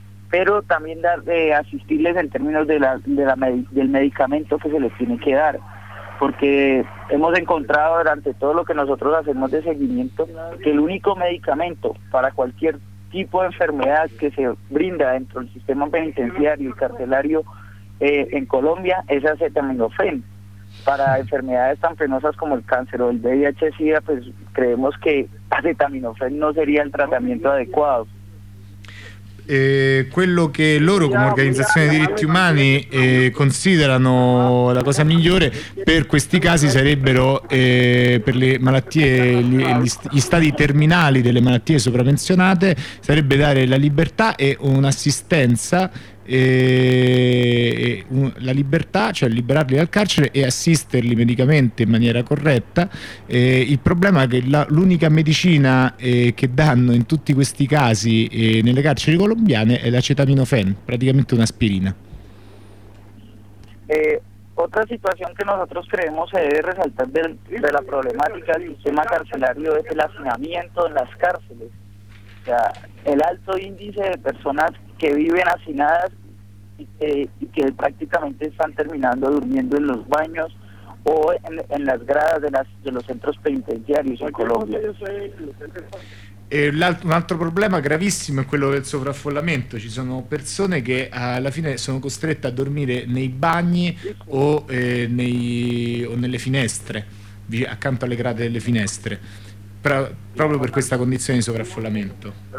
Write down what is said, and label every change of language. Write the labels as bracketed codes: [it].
[es] pero también asistirles en términos del medicamento que se les tiene que dar, porque hemos encontrado durante todo lo que nosotros hacemos de seguimiento que el único medicamento para cualquier tipo de enfermedad que se brinda dentro del sistema penitenciario y carcelario en Colombia es acetaminofén. Para enfermedades tan penosas como el cáncer o el VIH-SIDA, pues creemos que acetaminofén no sería el tratamiento adecuado. [it] Quello che loro come organizzazione di diritti umani considerano la cosa migliore per questi casi sarebbero per le malattie, gli stadi terminali delle malattie sopravvenzionate, sarebbe dare la libertà e un'assistenza, la libertà, cioè liberarli dal carcere e assisterli medicamente in maniera corretta. Il problema è che l'unica medicina che danno in tutti questi casi nelle carceri colombiane è l'acetaminofen, praticamente un'aspirina. [es] Otra situación que nosotros creemos se debe resaltar de la problemática del sistema carcelario es el hacinamiento en las cárceles. O sea, el alto índice de personas que viven hacinadas y que prácticamente están terminando durmiendo en los baños o en las gradas de los centros penitenciarios en Colombia. [it] Un altro problema gravissimo è quello del sovraffollamento. Ci sono persone che alla fine sono costrette a dormire nei bagni o nelle finestre, accanto alle grate delle finestre. Proprio per questa condizione di sovraffollamento.